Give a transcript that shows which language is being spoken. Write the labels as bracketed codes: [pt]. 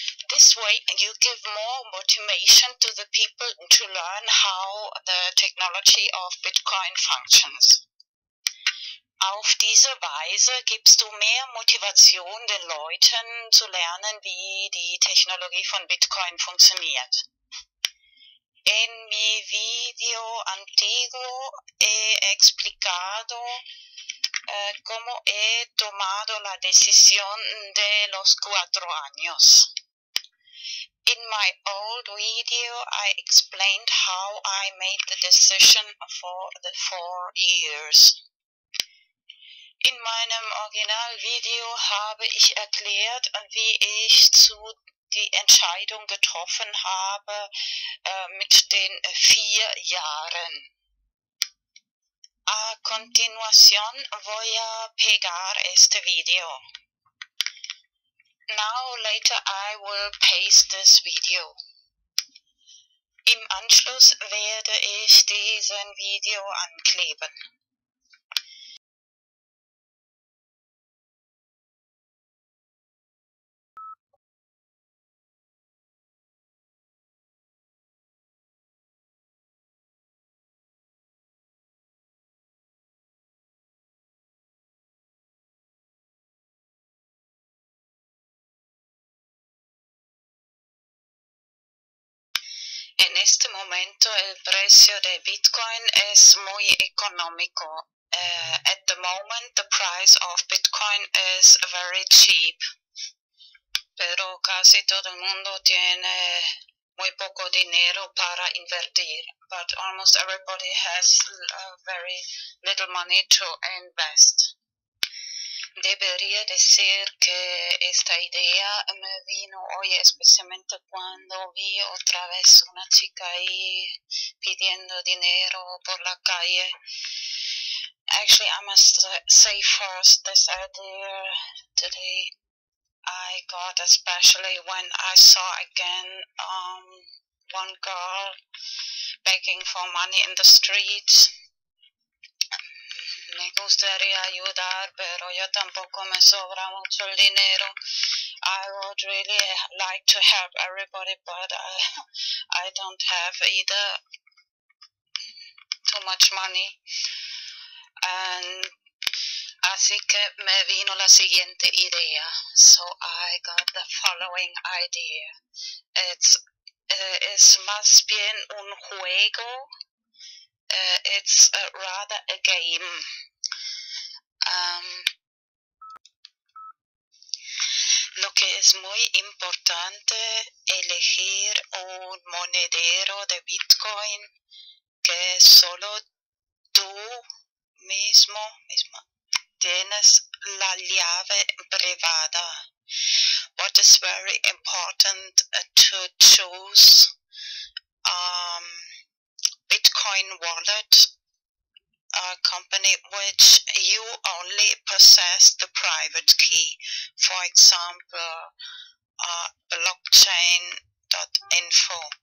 [en] This way, you give more motivation to the people to learn how the technology of Bitcoin functions. [de] Auf diese Weise gibst du mehr Motivation den Leuten zu lernen, wie die Technologie von Bitcoin funktioniert. [es] En mi video antiguo he explicado cómo he tomado la decisión de los 4 años. [en] In my old video, I explained how I made the decision for the 4 years. [de] In meinem Originalvideo habe ich erklärt, wie ich die Entscheidung getroffen habe mit den 4 Jahren. [es] A continuación voy a pegar este video. [en] Now later I will paste this video. [de] Im Anschluss werde ich diesen Video ankleben. [es] En este momento el precio de Bitcoin es muy económico. [en] At the moment the price of Bitcoin is very cheap. [es] Pero casi todo el mundo tiene muy poco dinero para invertir. [en] But almost everybody has very little money to invest. [es] Debería decir que esta idea me vino hoy especialmente cuando vi otra vez una chica ahí pidiendo dinero por la calle. [en] Actually, I must say first this idea today I got, especially when I saw again one girl begging for money in the streets. [es] Me gustaría ayudar, pero yo tampoco me sobra mucho el dinero. [en] I would really like to help everybody, but I don't have either too much money. [es] And así que me vino la siguiente idea. [en] So I got the following idea. It's [es] más bien un juego. [en] It's rather a game. [es] Lo que es muy importante elegir un monedero de Bitcoin que solo tú mismo tienes la llave privada. [en] What is very important to choose Bitcoin wallet, a company which you only possess the private key, for example, blockchain.info.